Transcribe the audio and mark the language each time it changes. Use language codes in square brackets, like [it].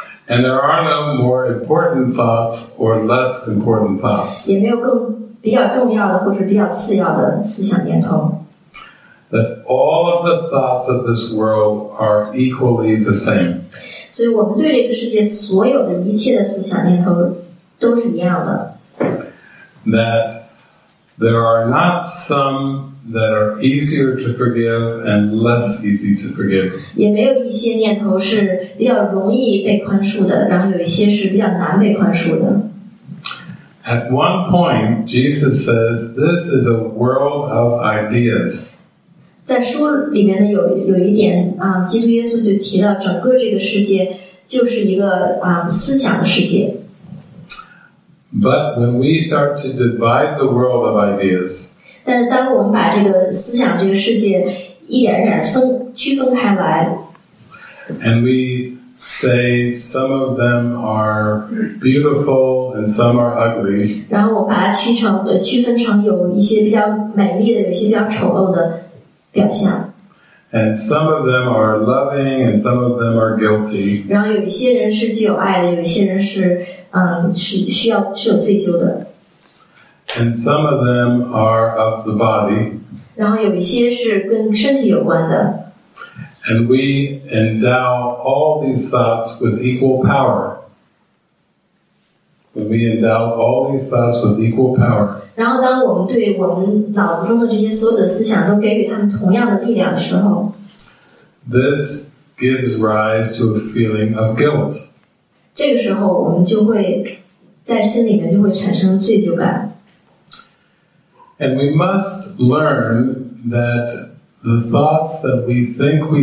[en] And there are no more important thoughts or less important thoughts. [zh] 也没有更比较重要的或者比较次要的思想念头。 [en] That all of the thoughts of this world are equally the same. [zh] 所以我们对这个世界所有的一切的思想念头都是一样的。 [en] That there are not some that are easier to forgive and less easy to forgive. [zh] 也没有一些念头是比较容易被宽恕的，然后有一些是比较难被宽恕的。 [en] At one point, Jesus says, "This is a world of ideas." [zh] 在书里面呢，有一点啊，基督耶稣就提到，整个这个世界就是一个思想的世界。 [en] But when we start to divide the world of ideas. [zh] 但是当我们把这个思想这个世界一点一点区分开来。 [en] And we say some of them are beautiful and some are ugly. [zh] 然后我把它区分成有一些比较美丽的，有一些比较丑陋的表象。 [en] And some of them are loving and some of them are guilty. [zh] 然后有一些人是具有爱的，有一些人是是有罪疚的。 [en] And some of them are of the body. [zh] 然后有一些是跟身体有关的。 [en] And we endow all these thoughts with equal power. When we endow all these thoughts with equal power. [zh] 然后当我们对我们脑子中的这些所有的思想都给予他们同样的力量的时候。 [en] This gives rise to a feeling of guilt. [zh] 这个时候我们就会在心里面就会产生罪疚感。 [en] And we must learn that the thoughts that we think.